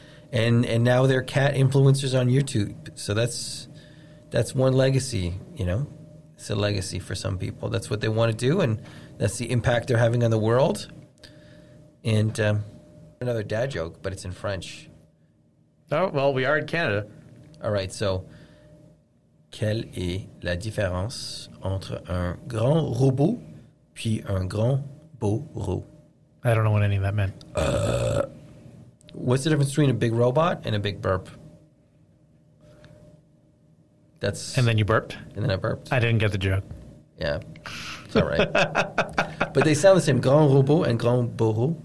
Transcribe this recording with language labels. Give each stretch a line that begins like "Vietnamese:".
English: And now they're cat influencers on YouTube. So that's one legacy, you know. It's a legacy for some people. That's what they want to do, and that's the impact they're having on the world. And another dad joke, but it's in French. Oh, well, we are in Canada. All right, so.
French: Quelle est la différence entre un grand robot puis un grand bourreau?
English: I don't know what any of that meant. What's the difference between a big robot and a big burp? And then you burped? And then I burped. I didn't get the joke. Yeah. It's all right. But they sound the same, grand robot and grand bourreau.